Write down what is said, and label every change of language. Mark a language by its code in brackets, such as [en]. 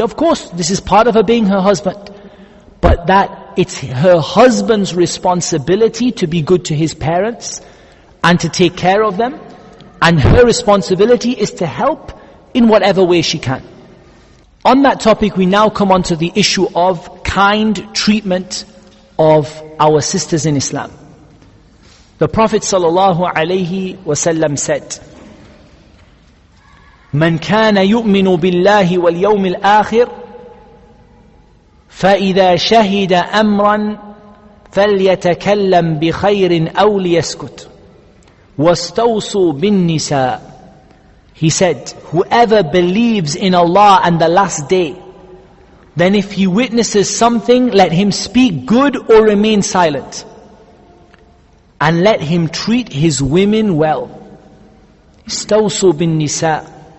[en] Of course, this is part of her being her husband. But that it's her husband's responsibility to be good to his parents and to take care of them. And her responsibility is to help in whatever way she can. On that topic, we now come onto the issue of kind treatment of our sisters in Islam. The Prophet sallallahu alaihi wasallam said, [ar] من كان يؤمن بالله واليوم الآخر فإذا شهد أمرا فليتكلم بخير أو ليسكت واستوصوا بالنساء. [en] He said, whoever believes in Allah and the last day, then if he witnesses something, let him speak good or remain silent. And let him treat his women well. [ar] استوصوا بالنساء.